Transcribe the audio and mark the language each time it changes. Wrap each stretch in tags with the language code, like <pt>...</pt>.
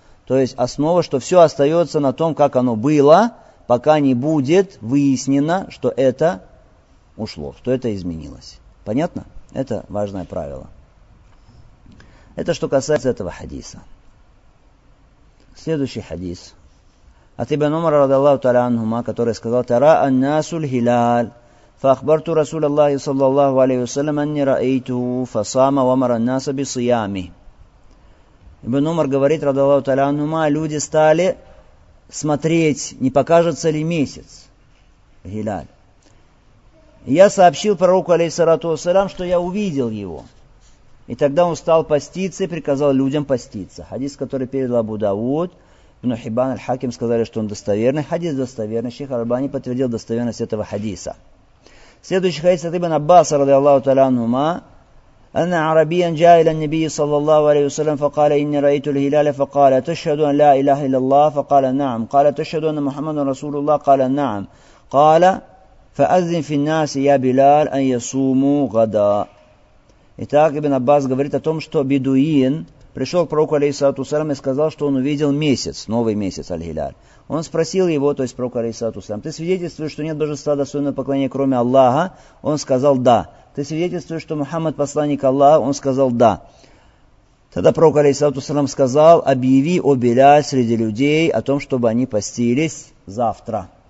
<ru>То есть основа, что все остается на том, как оно было, пока не будет выяснено, что это ушло, что это изменилось. Понятно? Это важное правило. Это что касается этого хадиса. Следующий хадис. От ибн Умара, который сказал, «Тара аннасуль хиляль».</ru> <ar>فأخبرت رسول الله صلى الله عليه وسلم أني رأيته فصام ومر الناس بصيامه.</ar> <ru>Ибн Умар говорит,</ru> <ar>رضي الله تعالى عنهما,</ar> <ru>люди стали смотреть, не покажется ли месяц, Гиляль. Я сообщил пророку, алейхиссалату вассалям, что я увидел его. И тогда он стал поститься и приказал людям поститься. Хадис, который передал Абу Дауд, Ибн Хибан, Аль-Хаким сказали, что он достоверный. Хадис достоверный. Шейх Аль-Бани подтвердил достоверность этого хадиса. Следующий хадис от Ибн Аббаса,</ru> <ar>رضي الله تعالى عنهما, أن عربيا جاء إلى النبي صلى الله عليه وسلم فقال إني رأيت الهلال فقال تشهد أن لا إله إلا الله فقال نعم قال تشهد أن محمد رسول الله قال نعم قال فأذن في الناس يا بلال أن يصوموا غدا.</ar> <ru>Итак, Ибн Аббас говорит о том, что бедуин пришел к пророку алейхиссалату вассалям и сказал, что он увидел месяц, новый месяц Аль-Хиляль. Он спросил его, то есть пророка алейхиссалату вассалям, ты свидетельствуешь, что нет божества достойного поклонения, кроме Аллаха? Он сказал да. Ты свидетельствуешь, что Мухаммад посланник Аллаха? Он сказал да. Тогда пророк алейхиссалату вассалям сказал, объяви о Биляль среди людей о том, чтобы они постились завтра.</ru>